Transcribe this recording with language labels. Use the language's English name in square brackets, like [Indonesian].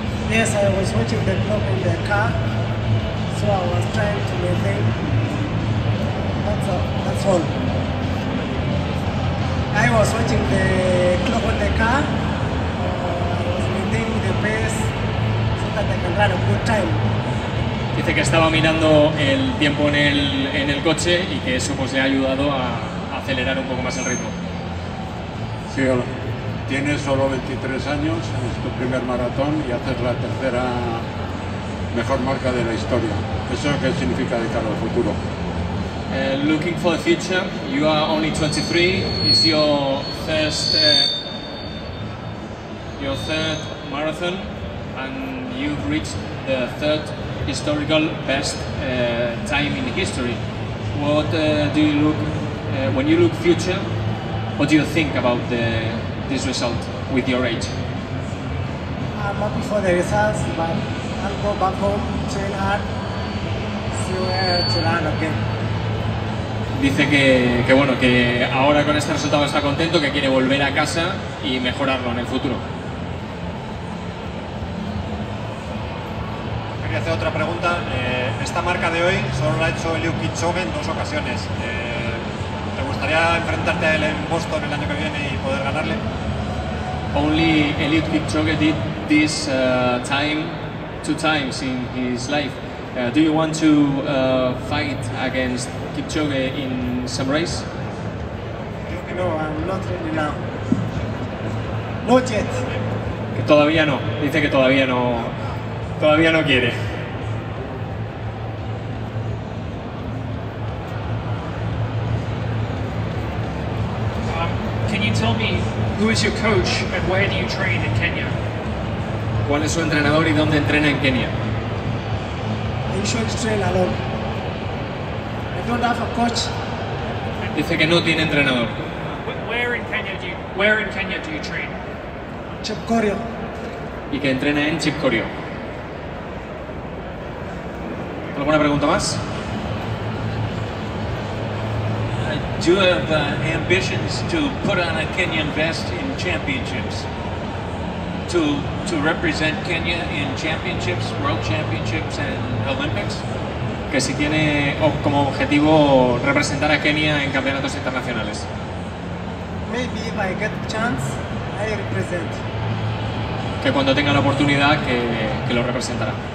[English] Yes, I was watching the clock in the car, so I was trying to maintain. That's all. I was watching the clock on the car, I was maintaining the pace so that I can run a good time. [Spanish] Dice que estaba mirando el tiempo en el coche y que eso pues le ha ayudado a acelerar un poco más el ritmo. Sí, hola. Tienes solo 23 años, es tu primer maratón y haces la tercera mejor marca de la historia. ¿Eso qué significa de cara al futuro? [English] Looking for the future, you are only 23, is your first your third marathon and you've reached the third historical best time in history. What do you look when you look future? What do you think about this result with your age? I'm happy for the results, but I'll go back home, train hard, see where to land again. [Spanish] Dice que bueno, que ahora con este resultado está contento, que quiere volver a casa y mejorarlo en el futuro. Quería hacer otra pregunta. Esta marca de hoy solo la ha hecho Eliud Kipchoge en dos ocasiones. ¿Te gustaría enfrentarte a él en Boston el año que viene y poder ganarle? [English] Only Eliud Kipchoge did this time two times in his life. Do you want to fight against Kipchoge in some race? No, I'm not ready now. Not yet. [Spanish] Todavía no. Dice que todavía no. Todavía no quiere. [English] Can you tell me who is your coach and where do you train in Kenya? [Spanish] ¿Cuál es su entrenador y dónde entrena en Kenia? [English] I usually train alone. I don't have a coach. [Spanish] Dice que no tiene entrenador. [English] Where in Kenya do you train? Chepkorio. [Spanish] Y que entrena en Chepkorio. ¿Alguna pregunta más? [English] Do you have ambitions to put on a Kenyan vest in championships? To represent Kenya in championships, world championships and Olympics? [Spanish] Que si tiene como objetivo representar a Kenya en campeonatos internacionales. [English] Maybe if I get a chance, I represent. [Spanish] Que cuando tenga la oportunidad, que lo representará.